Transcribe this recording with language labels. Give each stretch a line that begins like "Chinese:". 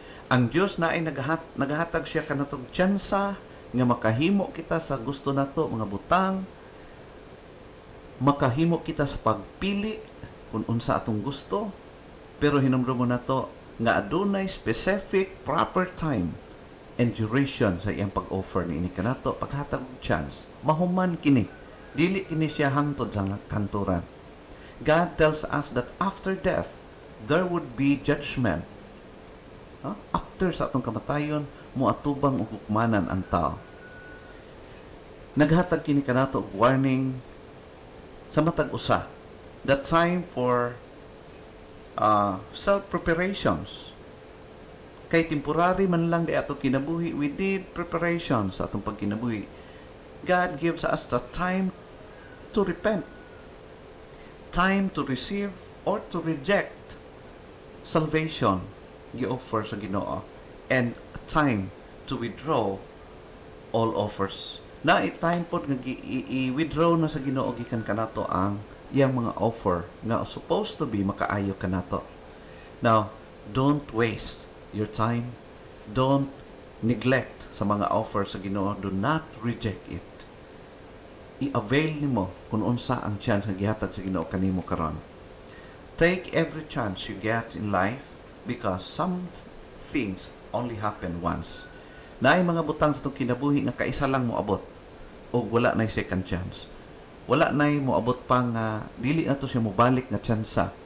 Cebuano: Ang Diyos na ay naghahatag siya ka na itong tiyansa nga makahimo kita sa gusto na ito, mga butang, makahimo kita sa pagpili kung unsa atong gusto, pero hinumdumo na ito nga adunay
English: specific proper time and duration
Cebuano: sa iyang pag-offer ni ini kanato, paghatag chance, mahuman kini, dili kini siya hangtod sa kanturan.
English: God tells us that after death, there would be judgment.
Cebuano: After sa atong kamatayon, muatubang ugukmanan ang tao. Naghatag kini kanato warning sa matag usa,
English: that time for self-preparations.
Cebuano: Kay temporary man lang di ato kinabuhi,
English: we need preparation
Cebuano: sa atong pagkinabuhi.
English: God gives us the time to repent, time to receive or to reject salvation
Cebuano: gi-offer sa Ginoo
English: and a time to withdraw all offers.
Cebuano: Na i-time po nga i-withdraw na sa Ginoo gikan kanato ang iyang mga offer na
English: supposed to be
Cebuano: makaayo kanato.
English: Now, don't waste your time. Don't neglect
Cebuano: sa mga offer sa Ginoo.
English: Do not reject it.
Cebuano: I-avail nimo kung unsa ang chance na gihatag sa Ginoo kanimo karon.
English: Take every chance you get in life because some things only happen once.
Cebuano: Naay mga butang sa itong kinabuhi na kaisa lang mo abot o wala na'y second chance. Wala na'y mo abot pa nga dili na to siya mubalik na chance.